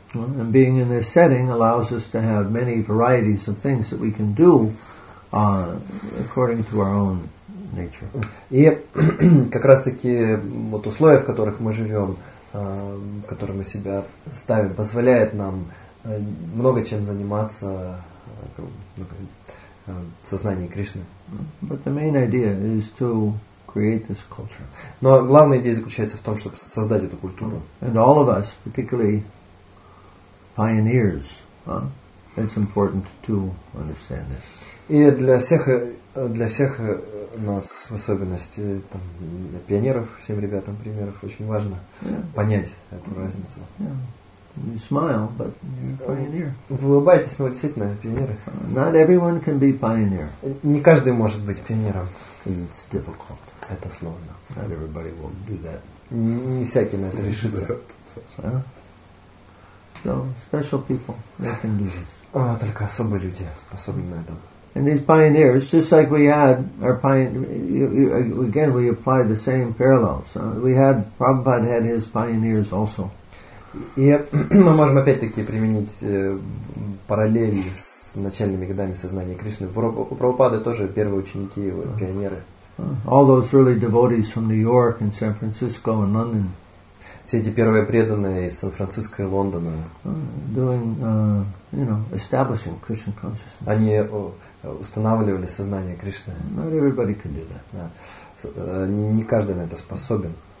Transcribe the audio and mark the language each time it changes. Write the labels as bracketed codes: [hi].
[en] And being in this setting allows us to have many varieties of things that we can do according to our own nature. [ru] И как раз таки вот условия, в которых мы живем, который мы себя ставим, позволяет нам много чем заниматься в сознании Кришны. [en] But the main idea is to create this culture. [ru] Но главная идея заключается в том, чтобы создать эту культуру. [en] And all of us, particularly pioneers, it's important to understand this. [ru] И для всех нас, в особенности там, для пионеров, всем ребятам примеров, очень важно понять эту разницу. [en] Yeah. You smile, but you're a pioneer. [ru] Вы улыбаетесь, но вы действительно пионеры. [en] Not everyone can be pioneer. [ru] Не каждый может быть пионером. [en] It's difficult. [ru] Это сложно. [en] Not everybody will do that. [ru] Не всякий на это решится. [en] So special people, they can do this. [ru] Только особые люди способны на это. [en] And these pioneers, just like we had our pioneers, again we apply the same parallels. We had Prabhupada had his pioneers also. [ru] И мы можем опять-таки применить параллели с начальными годами сознания Кришны. У Прабхупады тоже первые ученики, его пионеры. [en] All those early devotees from New York and San Francisco and London. [ru] Все эти первые преданные из Сан-Франциско и Лондона. [en] Doing, you know, establishing Krishna consciousness. [ru] Они устанавливали сознание Кришны. [en] Not everybody can do that. [ru] Да. Не каждый на это способен.